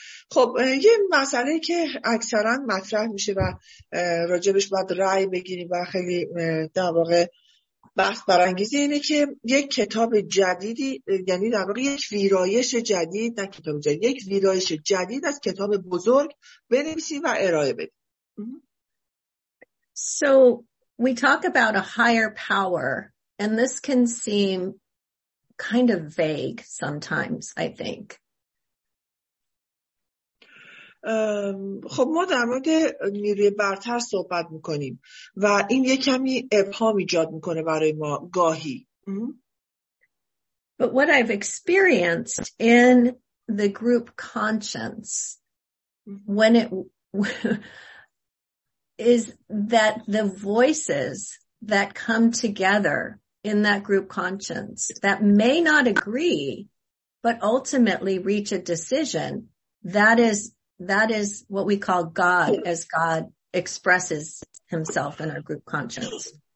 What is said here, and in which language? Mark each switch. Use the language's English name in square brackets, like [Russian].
[Persian] خب یه مسئله که اکثرا مطرح میشه و راجبش باید رأی بگیریم و خیلی در واقع بحث برانگیزه اینه که یک کتاب جدیدی، یعنی در واقع یک ویرایش جدید، نه کتاب جدید، یک ویرایش جدید از کتاب بزرگ بنویسیم و ارائه بدیم. [English] So we talk about a higher power, and this can seem kind of vague sometimes, I think. [Persian] خب ما در مورد نیروی برتر صحبت میکنیم و این یک کمی ابهام ایجاد میکنه برای ما گاهی. [English] But what I've experienced in the group conscience when it is that the voices that come together in that group conscience that may not agree, but ultimately reach a decision, that is what we call God, as God expresses himself in our group conscience.